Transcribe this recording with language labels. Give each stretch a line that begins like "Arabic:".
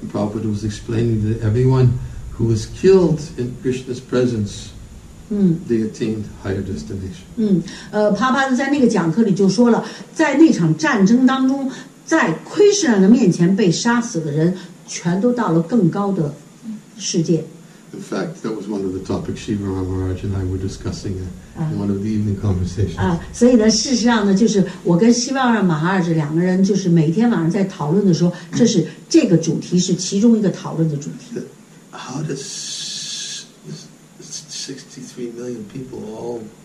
English: Prabhupada was explaining that everyone who was killed in Krishna's presence. They attained higher destination.
Chinese: 帕帕在那个讲课里就说了，在那场战争当中。在 Krishna 的面前被杀死的人全都到了更高的世界。
English: In fact, that was one of the topics Shiva Ramaraj and I were discussing in one of the evening conversations.
Chinese: 所以呢，事实上呢，就是我跟 Shiva Ramaraj 两个人就是每天晚上在讨论的时候，这是这个主题是其中一个讨论的主题。
English: How does 63 million people all...